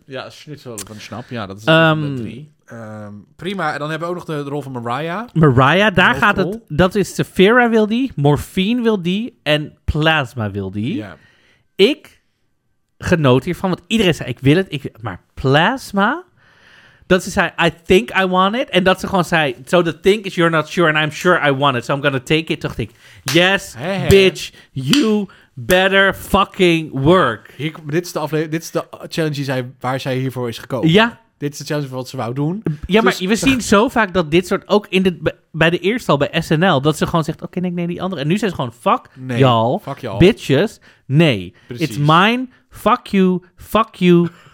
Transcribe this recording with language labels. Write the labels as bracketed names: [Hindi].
[Dutch] Ja, schnitzel van Schnapp. Ja, dat is de drie. Prima. En dan hebben we ook nog de rol van Mariah. Mariah, daar gaat het. Dat is Sephira wil die, Morphine wil die en Plasma wil die. Ja. Ik genoot hiervan, want iedereen zei, maar Plasma... Dat ze zei, [English] I think I want it. [Dutch] En dat ze gewoon zei, [English] so the thing is you're not sure and I'm sure I want it. So I'm gonna take it. [Dutch] Toen dacht ik, [English] yes, bitch, you better fucking work. [Dutch] Dit is de challenge waar zij hiervoor is gekomen. Ja. Dit is de challenge voor wat ze wou doen. Ja, dus, maar we zien zo vaak dat dit soort, ook in bij de eerste al, bij SNL, dat ze gewoon zegt, oké, nee, die andere. En nu zijn ze gewoon, [English] fuck y'all, bitches, [Dutch] nee. Precies. [English] It's mine. Fuck you, fuck you.